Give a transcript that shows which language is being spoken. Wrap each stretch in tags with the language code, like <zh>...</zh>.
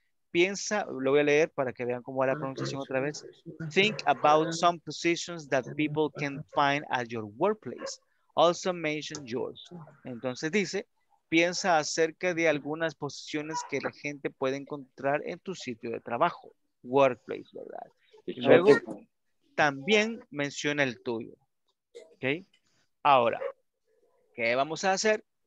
<es>Piensa, lo voy a leer para que vean cómo va la pronunciación otra vez.</es> <en>Think about some positions that people can find at your workplace. Also mention yours.</en> <es>Entonces dice, piensa acerca de algunas posiciones que la gente puede encontrar en tu sitio de trabajo. Workplace, ¿verdad? Y luego también menciona el tuyo. ¿Ok? Ahora, ¿qué vamos a hacer?</es>